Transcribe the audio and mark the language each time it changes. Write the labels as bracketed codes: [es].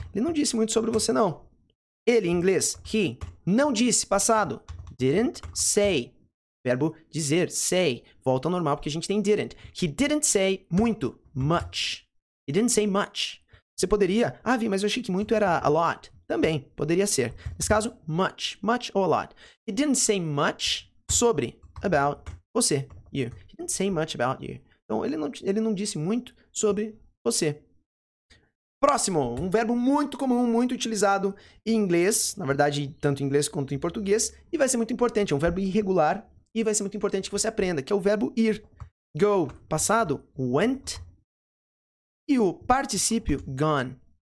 [pt] Ele não disse muito sobre você, não. Ele, em inglês, he, não disse, passado. [en] Didn't say... [pt] Verbo dizer, say. Volta ao normal, porque a gente tem didn't. He didn't say muito, much. [en] He didn't say much. [pt] Você poderia... Ah, Vi, mas eu achei que muito era a lot. Também, poderia ser. Nesse caso, much. Much ou a lot. [en] He didn't say much [pt] sobre, [en] about, [pt] você, [en] you. He didn't say much about you. [pt] Então, ele não disse muito sobre você. Próximo, um verbo muito comum, muito utilizado em inglês. Na verdade, tanto em inglês quanto em português. E vai ser muito importante, é um verbo irregular. E vai ser muito importante que você aprenda, que é o verbo ir. Go, passado, went. E o particípio, gone.